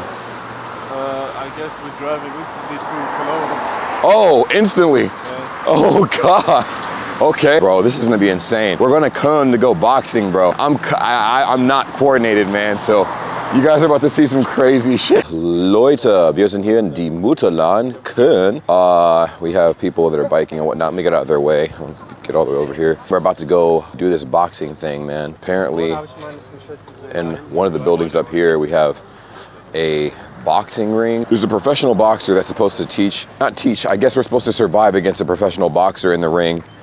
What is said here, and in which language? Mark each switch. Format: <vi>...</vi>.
<en>I guess we're driving instantly to Cologne. Oh, instantly? Yes. Oh, God. Okay, bro, this is gonna be insane. We're going to Cologne to go boxing, bro. I'm not coordinated, man, so you guys are about to see some crazy shit.</en> <de>Leute, wir sind hier in die Mutterland, Köln.</de> <en>We have people that are biking and whatnot. Let me get out of their way. Get all the way over here. We're about to go do this boxing thing, man. Apparently, in one of the buildings up here, we have a boxing ring. There's a professional boxer that's supposed to teach. I guess we're supposed to survive against a professional boxer in the ring.</en>